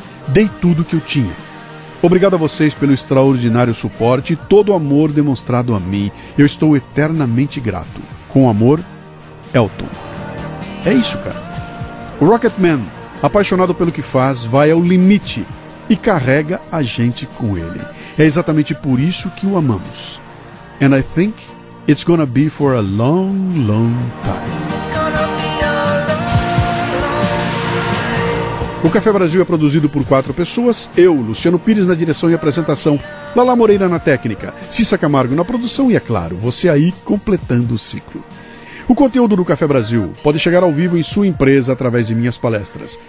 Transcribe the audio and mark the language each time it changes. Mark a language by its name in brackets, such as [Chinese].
[Portuguese] Dei tudo o que eu tinha. Obrigado a vocês pelo extraordinário suporte e todo o amor demonstrado a mim. Eu estou eternamente grato. Com amor, Elton. É isso, cara. O Rocketman, apaixonado pelo que faz, vai ao limite e carrega a gente com ele. É exatamente por isso que o amamos. [English] And I think it's gonna be for a long, long time. [Portuguese] O Café Brasil é produzido por quatro pessoas: eu, Luciano Pires, na direção e apresentação, Lala Moreira na técnica, Cissa Camargo na produção e, é claro, você aí completando o ciclo. O conteúdo do Café Brasil pode chegar ao vivo em sua empresa através de minhas palestras.